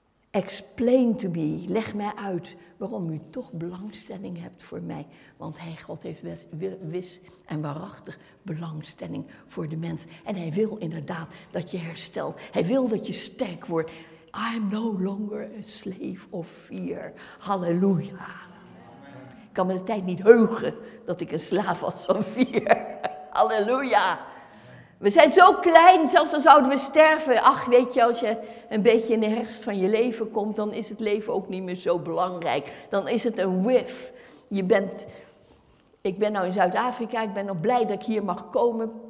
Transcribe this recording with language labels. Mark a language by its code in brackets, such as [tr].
[en] Explain to me, [nl] leg mij uit waarom u toch belangstelling hebt voor mij. Want hij, God, heeft wis en waarachtig belangstelling voor de mens. En hij wil inderdaad dat je herstelt. Hij wil dat je sterk wordt. [en] I'm no longer a slave of fear. [nl] Halleluja. Ik kan me de tijd niet heugen dat ik een slaaf was van fear. Halleluja. We zijn zo klein, zelfs dan zouden we sterven. Ach, weet je, als je een beetje in de herfst van je leven komt, dan is het leven ook niet meer zo belangrijk. Dan is het een whiff. Je bent, ik ben nou in Zuid-Afrika, ik ben nog blij dat ik hier mag komen.